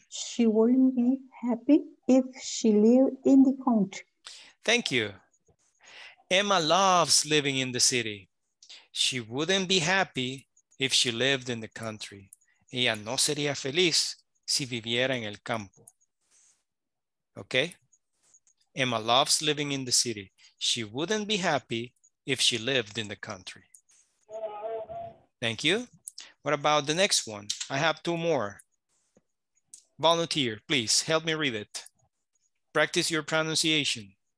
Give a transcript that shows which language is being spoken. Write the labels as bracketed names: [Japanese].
[English] She wouldn't be happy if she lived in the country. Thank you. Emma loves living in the city. She wouldn't be happy if she lived in the country. [Spanish] Ella no sería feliz si viviera en el campo. [English] Okay? Emma loves living in the city. She wouldn't be happy if she lived in the country. Thank you. What about the next one? I have two more. Volunteer, please help me read it. Practice your pronunciation.